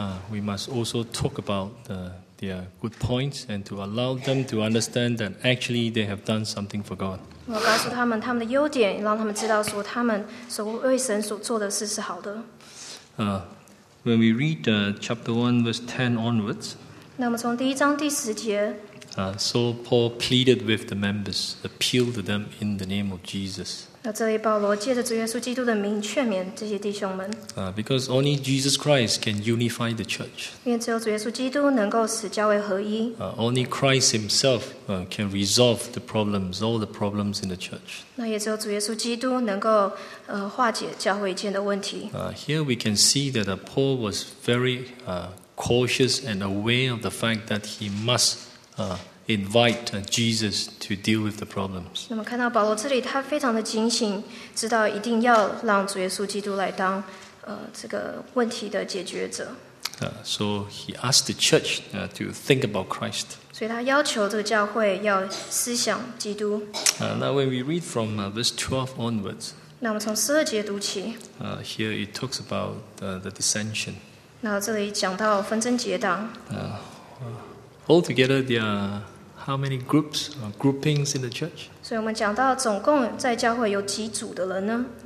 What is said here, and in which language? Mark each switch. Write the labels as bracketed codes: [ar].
[en] We must also talk about their good points and to allow them to understand that actually they have done something for God. [zh] 我告诉他们他们的优点，让他们知道说他们所为神所做的事是好的。 [en] When we read chapter 1:10 onwards, [zh] 那么从第一章第十节。 [en] So Paul pleaded with the members, appealed to them in the name of Jesus. [zh] 那这里保罗借着主耶稣基督的名劝勉这些弟兄们。 [en] Because only Jesus Christ can unify the church. [zh] 因为只有主耶稣基督能够使教会合一。 [en] Only Christ Himself can resolve the problems, all the problems in the church. [zh] 那也只有主耶稣基督能够化解教会间的问题。 [en] Here we can see that Paul was very cautious and aware of the fact that he must. Invite Jesus to deal with the problems. [zh] 那么看到保罗这里，他非常的警醒，知道一定要让主耶稣基督来当这个问题的解决者。 [en] So he asked the church to think about Christ. [zh] 所以他要求这个教会要思想基督。 [en] Now when we read from verse 12 onwards, [zh] 那么从十二节读起。 [en] Here it talks about the dissension. [zh] 那这里讲到纷争结党。 [en] Altogether, there are how many groups or groupings in the church? [zh] 所以我们讲到总共在教会有几组的人呢？